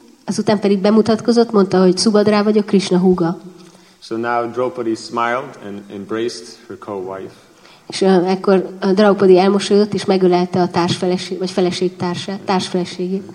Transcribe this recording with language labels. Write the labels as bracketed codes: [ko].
[hu] Azután pedig bemutatkozott, mondta, hogy Subhadra vagyok, Krishna húga. [en] So now Draupadi smiled and embraced her co-wife. [hu] És ekkor a Draupadi elmosolyodott és megölelte a társfeleség vagy feleségtársát, társfeleségét.